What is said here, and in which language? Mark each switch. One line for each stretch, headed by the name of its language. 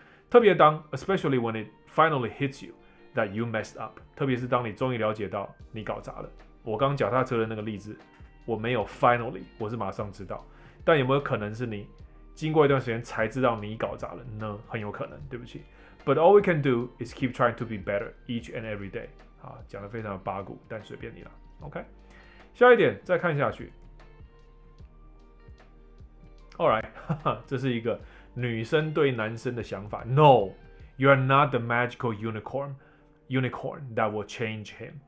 Chinese: 特别当
English: especially when it finally hits you that you messed up，
Chinese: 特别是当你终于了解到你搞砸了。我刚脚踏车的那个例子，我没有 finally， 我是马上知道，但有没有可能是你经过一段时间才知道你搞砸了呢？很有可能，对不起。
English: But all we can do is keep trying to be better each and every day。
Chinese: 啊，讲得非常的八股，但随便你了。 OK， 下一点再看下去。 All right， 这是一个女生对男生的想法。
English: No， you are not the magical unicorn， unicorn that will change him。